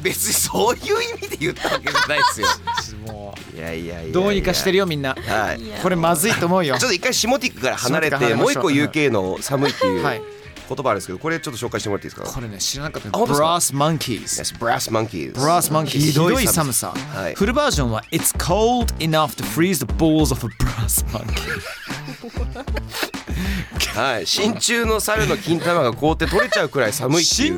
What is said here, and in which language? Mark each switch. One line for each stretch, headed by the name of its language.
Japanese: 別にそういう意味で言ったわけじゃないですよ。もういやどうにかしてるよみんな、はい、これまずいと思うよ。ちょっと一回シモティックから離れて、もう一個 UK の寒いっていう、はい、言葉あるんですけど、これちょっと紹介してもらっていいですか。これね、知らなかった。ブラスモンキーズ。ブラスモンキーズ。ブラスモンキーズ。ひどい寒さ、はい、
English: フルバージョンは It's cold enough to freeze the balls of a brass monkey。
Japanese: はい、真鍮の猿の金玉が凍って取れちゃうくらい寒いっていう。